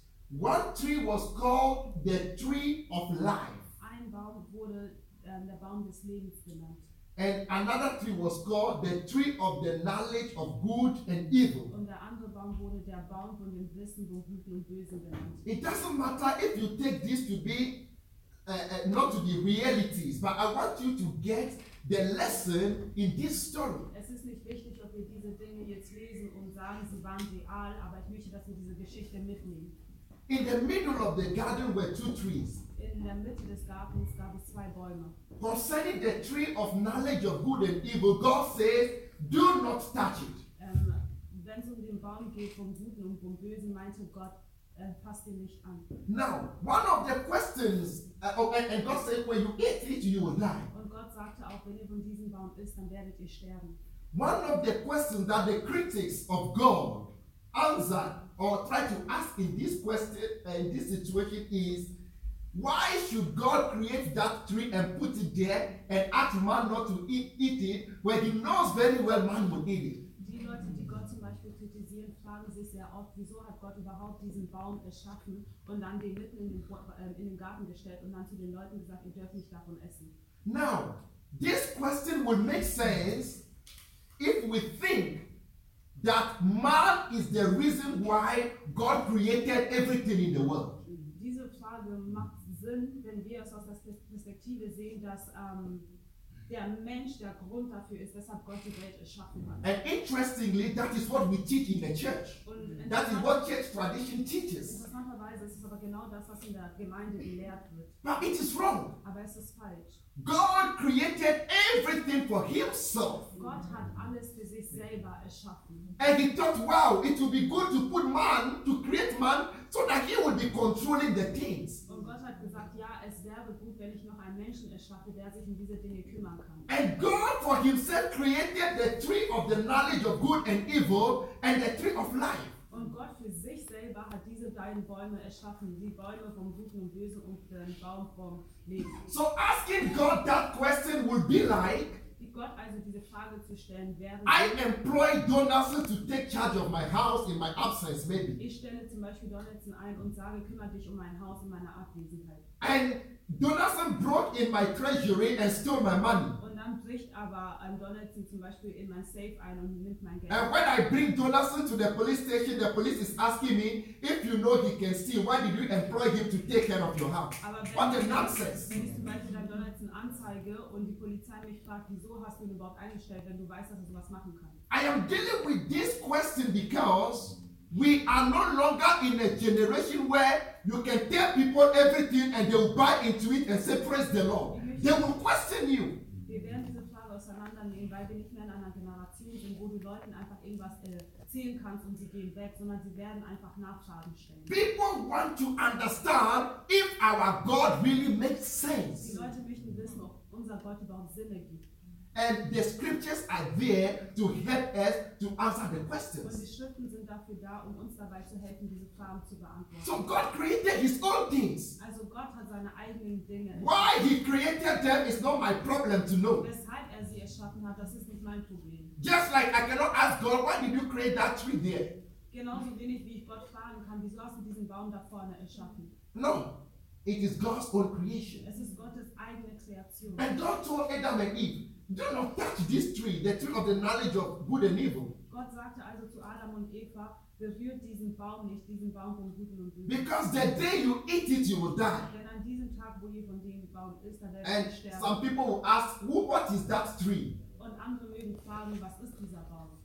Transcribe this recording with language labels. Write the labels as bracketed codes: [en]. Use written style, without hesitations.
[en] One tree was called the tree of life. [de] Ein Baum wurde der Baum des Lebens genannt. [en] And another tree was called the tree of the knowledge of good and evil. [de] Und der andere Baum wurde der Baum von dem Wissen von Gut und Böse genannt. [en] It doesn't matter if you take this to be not to be realities, but I want you to get the lesson in this story. [de] Es ist nicht wichtig, ob wir diese Dinge jetzt lesen und sagen, sie waren real, aber ich möchte, dass wir diese Geschichte mitnehmen. [en] In the middle of the garden were two trees. [de] In der Mitte des Gartens gab es zwei Bäume. [en] Concerning the tree of knowledge of good and evil, God says, do not touch it. [de] Wenn es um den Baum geht vom Guten und vom Bösen, meinte Gott, fasst ihn nicht an. [en] Now, one of the questions, and God said, when you eat it, you will die. [de] Und Gott sagte auch, wenn ihr von diesem Baum isst, dann werdet ihr sterben. [en] One of the questions that the critics of God answered or try to ask in this question, in this situation, is why should God create that tree and put it there and ask man not to eat it when he knows very well man will eat it? [de] Die Leute, die Gott zum Beispiel kritisieren, fragen sich sehr oft, wieso hat Gott überhaupt diesen Baum erschaffen und dann den mitten in den Garten gestellt und dann zu den Leuten gesagt, ihr dürft nicht davon essen. [en] Now, this question would make sense if we think that man is the reason why God created everything in the world. [de] Diese Frage macht Sinn, wenn wir es aus der Perspektive sehen, dass der Mensch der Grund dafür ist, weshalb Gott die Welt erschaffen hat. [en] And interestingly, that is what we teach in the church. That is what church tradition teaches. [de] Interessanterweise ist es aber genau das, was in der Gemeinde gelehrt wird. [en] But it is wrong. [de] Aber es ist falsch. [en] God created everything for himself. [de] Gott hat alles für sich selber erschaffen. [en] And he thought, wow, it would be good to put man, to create man, so that he would be controlling the things. [de] Und Gott hat gesagt, ja, es wäre gut, wenn ich noch einen Menschen erschaffe, der sich um diese Dinge kümmern kann. [en] And God for himself created the tree of the knowledge of good and evil and the tree of life. [de] Und Gott für sich selber hat diese beiden Bäume erschaffen, die Bäume vom Guten und Bösen und den Baum vom Leben. [en] So asking God that question would be like, [de] Gott also diese Frage zu stellen, [en] I employ Donaldson to take charge of my house in my absence, maybe. [de] Ich stelle zum Beispiel Donaldson ein und sage, kümmere dich um mein Haus in meiner Abwesenheit. [en] And Donaldson broke in my treasury and stole my money. [de] Und dann bricht aber Donaldson zum Beispiel in mein Safe ein und nimmt mein Geld. [en] And when I bring Donaldson to the police station, the police is asking me, if you know he can steal, why did you employ him to take care of your house? What a nonsense. [de] Anzeige und die Polizei mich fragt, wieso hast du ihn überhaupt eingestellt, wenn du weißt, dass du sowas machen kannst. [en] I am dealing with this question because we are no longer in a generation where you can tell people everything and they will buy into it and say, praise the Lord. They will question you. [de] Wir werden diese Frage auseinandernehmen, weil wir nicht mehr in einer Generation sind, wo du Leuten einfach irgendwas erzählen kannst und sie gehen weg, sondern sie werden einfach Nachfragen stellen. [en] People want to understand if our God really makes sense. [de] Die Leute möchten wissen, ob unser Gott überhaupt Sinn ergibt. [en] And the scriptures are there to help us to answer the questions. [de] Und die Schriften sind dafür da, um uns dabei zu helfen, diese Fragen zu beantworten. [en] So God created his own things. [de] Also Gott hat seine eigenen Dinge. [en] Why he created them is not my problem to know. [de] Weshalb er sie erschaffen hat, das ist nicht mein Problem. [en] Just like I cannot ask God, why did you create that tree there? [de] Genauso wenig wie ich Gott fragen kann, wieso hast du diesen Baum da vorne erschaffen? [en] No. It is God's own creation. [de] Es ist Gottes eigene Kreation. [en] And God told Adam and Eve, do not touch this tree, the tree of the knowledge of good and evil. [de] Gott sagte also zu Adam und Eva, berührt diesen Baum nicht, diesen Baum vom Guten und Bösen. [en] Because the day you eat it, you will die. [de] Denn an diesem Tag, wo ihr von dem Baum isst, dann werdet ihr sterben. [en] And some people will ask, what is that tree? [de] Und andere mögen fragen, was ist dieser Baum?